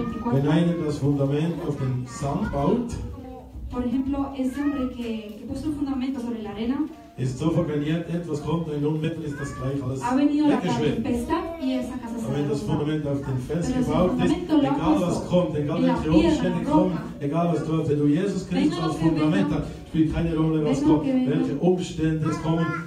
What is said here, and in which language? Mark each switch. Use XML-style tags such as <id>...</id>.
<de>Wenn einer das Fundament auf den Sand baut,</de> <es>por ejemplo, ese hombre que puso el fundamento sobre la arena,</es> <de>ist so verganiert, etwas kommt und unmittelbar ist das gleich alles weggeschwemmt. Aber wenn das Fundament auf den Fels gebaut ist, egal was kommt, egal welche Umstände kommen, egal was dort, wenn du Jesus Christus als Fundament hast, spielt keine Rolle, was kommt, welche Umstände es kommen.</de>